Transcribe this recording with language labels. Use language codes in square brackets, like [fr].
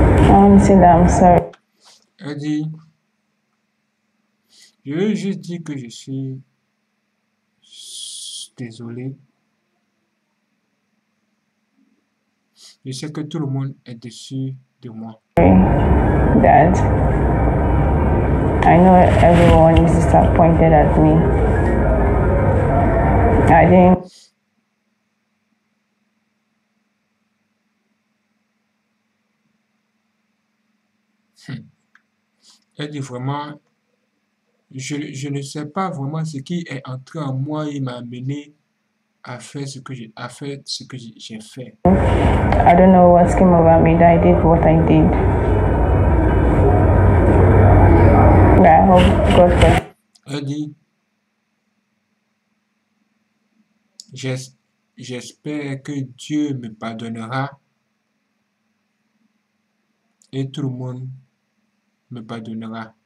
[en] I said that I'm sorry. [fr] Elle dit, je lui ai juste dit que je suis désolé. Je sais que tout le monde est déçu de moi. [en] Dad, I know everyone is disappointed at me. I didn't. [fr] Elle dit vraiment, je ne sais pas vraiment ce qui est entré en moi et m'a amené à faire ce que j'ai fait, ce que j'ai fait. [en] I don't know what came over me that I did what I did. But hope God can. [fr] Elle dit, j'espère que Dieu me pardonnera et tout le monde me pardonnera.